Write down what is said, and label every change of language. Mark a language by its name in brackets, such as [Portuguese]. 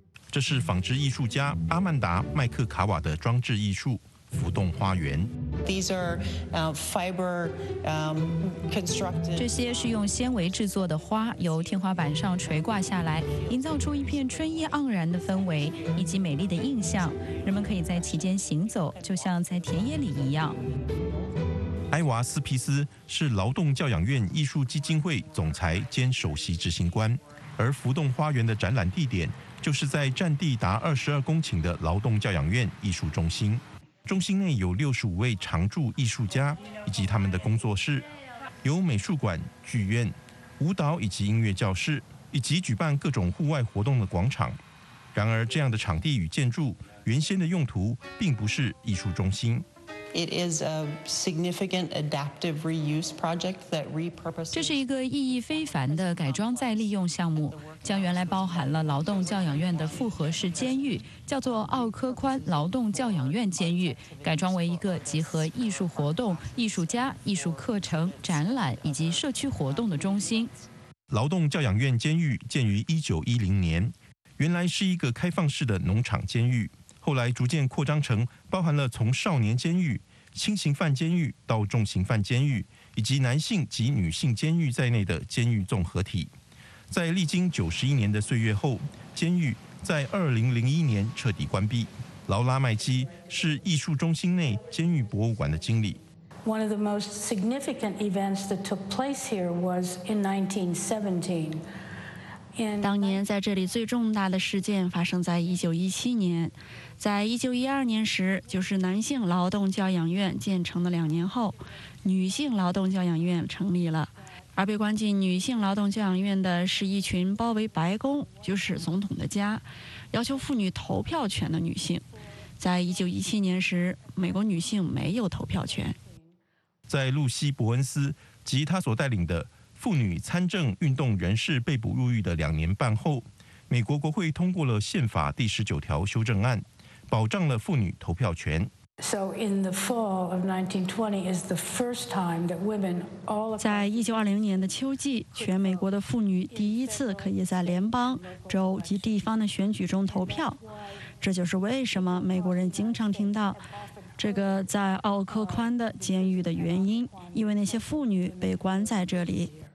[Chinese] 这是纺织艺术家阿曼达·麦克卡瓦的装置艺术《浮动花园》。 [English] These are fiber constructed. [Chinese] 这些是用纤维制作的花，由天花板上垂挂下来，营造出一片春意盎然的氛围以及美丽的印象。人们可以在其间行走，就像在田野里一样。埃娃斯皮斯是劳动教养院艺术基金会总裁兼首席执行官，而浮动花园的展览地点就是在占地达22公顷的劳动教养院艺术中心。中心内有65位常驻艺术家以及他们的工作室，有美术馆、剧院、舞蹈以及音乐教室，以及举办各种户外活动的广场。然而这样的场地与建筑原先的用途并不是艺术中心。 [English] It is a significant adaptive reuse project that repurposes. [Chinese] 这是一个意义非凡的改装再利用项目，将原来包含了劳动教养院的复合式监狱，叫做奥科宽劳动教养院监狱，改装为一个集合艺术活动、艺术家、艺术课程、展览以及社区活动的中心。劳动教养院监狱建于1910年，原来是一个开放式的农场监狱。后来逐渐扩张成包含了从少年监狱、轻刑犯监狱到重刑犯监狱以及男性及女性监狱在内的监狱综合体。在历经91年的岁月后，监狱在2001年彻底关闭。劳拉麦基是艺术中心内监狱博物馆的经理。 [English] One of the most significant events that took place here was in 1917. [Chinese] 当年在这里最重大的事件发生在1917年，在1912年时，就是男性劳动教养院建成的2年后，女性劳动教养院成立了。而被关进女性劳动教养院的是一群包围白宫，就是总统的家，要求妇女投票权的女性。在1917年时，美国女性没有投票权。在露西·伯恩斯及她所带领的妇女参政运动人士被捕入狱的2年半后，美国国会通过了宪法第19条修正案，保障了妇女投票权。 [English] So in the fall of 1920 is the first time that women all. [Chinese] 在1920年的秋季，全美国的妇女第一次可以在联邦、州及地方的选举中投票。这就是为什么美国人经常听到这个在奥克宽的监狱的原因，因为那些妇女被关在这里。